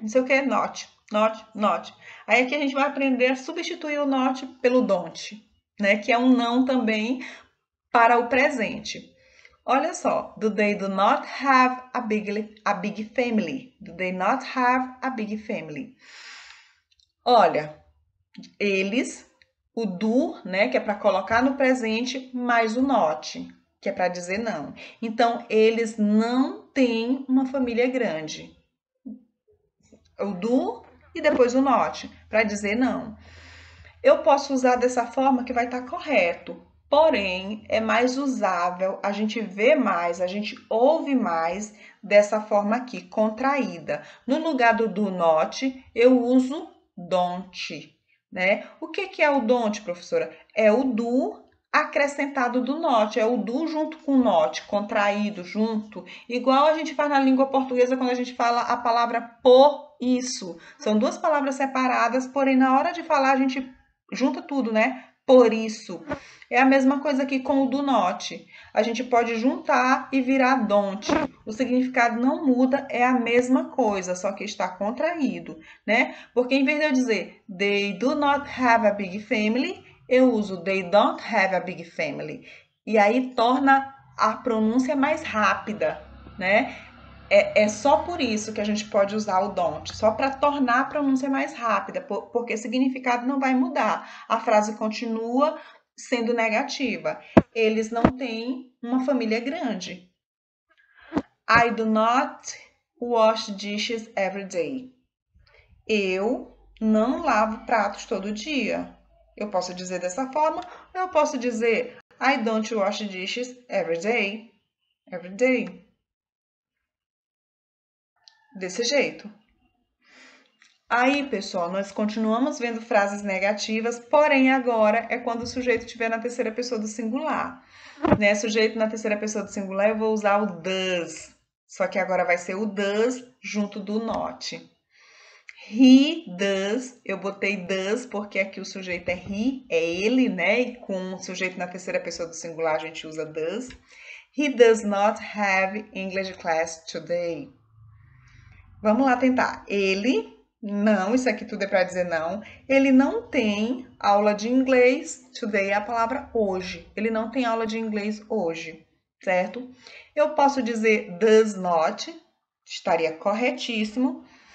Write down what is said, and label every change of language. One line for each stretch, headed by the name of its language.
Portuguese: Não sei o que é not, not, not. Aí aqui a gente vai aprender a substituir o not pelo don't, né? Que é um não também para o presente. Olha só,
English: do they do not have a big family? Do they not have a big family?
Portuguese: Olha, eles, o do, né, que é para colocar no presente, mais o not, que é para dizer não. Então, eles não têm uma família grande. O do e depois o not, para dizer não. Eu posso usar dessa forma que vai estar correto. Porém, é mais usável a gente ver mais, a gente ouve mais dessa forma aqui, contraída. No lugar do do not, eu uso don't, né? O que que é o don't, professora? É o do acrescentado do not, é o do junto com o not, contraído junto, igual a gente faz na língua portuguesa quando a gente fala a palavra por isso. São duas palavras separadas, porém na hora de falar a gente junta tudo, né? Por isso. É a mesma coisa aqui com o do not. A gente pode juntar e virar don't. O significado não muda, é a mesma coisa, só que está contraído, né? Porque em vez de eu dizer
English: they do not have a big family,
Portuguese: eu uso
English: they don't have a big family.
Portuguese: E aí torna a pronúncia mais rápida, né? É só por isso que a gente pode usar o don't, só para tornar a pronúncia mais rápida, porque o significado não vai mudar. A frase continua sendo negativa. Eles não têm uma família grande.
English: I do not wash dishes every day.
Portuguese: Eu não lavo pratos todo dia. Eu posso dizer dessa forma, ou eu posso dizer
English: I don't wash dishes every day. Every day.
Portuguese: Desse jeito. Aí, pessoal, nós continuamos vendo frases negativas, porém agora é quando o sujeito estiver na terceira pessoa do singular, né? Sujeito na terceira pessoa do singular, eu vou usar o does. Só que agora vai ser o does junto do not.
English: He does,
Portuguese: eu botei does porque aqui o sujeito é he, é ele, né? E com o sujeito na terceira pessoa do singular a gente usa does.
English: He does not have English class today.
Portuguese: Vamos lá tentar. Ele, não, isso aqui tudo é para dizer não. Ele não tem aula de inglês. Today é a palavra hoje. Ele não tem aula de inglês hoje, certo? Eu posso dizer does not, estaria corretíssimo.